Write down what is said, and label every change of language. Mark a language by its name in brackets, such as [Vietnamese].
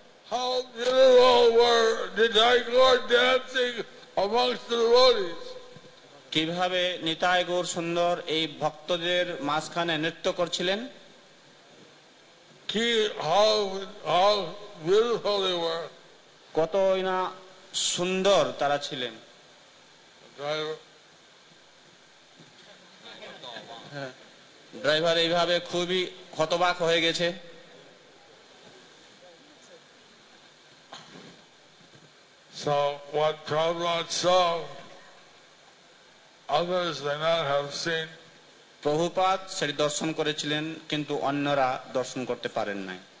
[English] How beautiful were the Nitai-gaur dancing amongst the devotees. [Bangla] কিভাবে নিতাইগুর সুন্দর এই ভক্তদের মাঝখানে নৃত্য করছিলেন। [English] কি how beautiful they were. [Bangla] কতই না সুন্দর তারা ছিলেন। ড্রাইভার এইভাবে খুবই হতবাক হয়ে গেছে। [English] So what Prabhupada saw, others may not have seen. [Bangla] Prabhupada সেটি দর্শন করেছিলেন কিন্তু অন্যরা দর্শন করতে পারেন নাই।